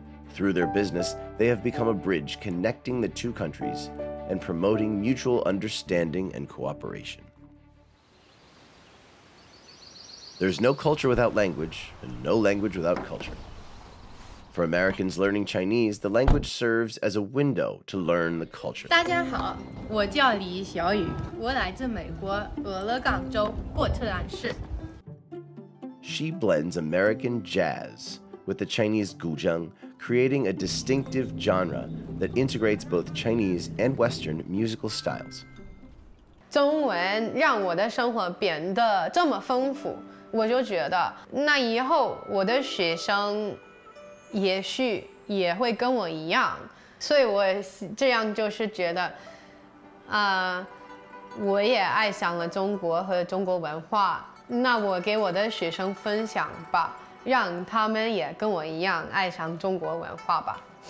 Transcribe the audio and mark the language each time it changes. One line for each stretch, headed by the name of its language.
English: Through their business, they have become a bridge connecting the two countries and promoting mutual understanding and cooperation. There's no culture without language, and no language without culture. For Americans learning Chinese, the language serves as a window to learn the culture.
Chinese: 大家好，我叫李小雨，我来自美国俄勒冈州波特兰市。
English: She blends American jazz with the Chinese guzheng, creating a distinctive genre that integrates both Chinese and Western musical styles.
Chinese: 中文让我的生活变得这么丰富，我就觉得那以后我的学生也许也会跟我一样，所以我这样就是觉得我也爱上了中国和中国文化，那我给我的学生分享吧，让他们也跟我一样爱上中国文化吧。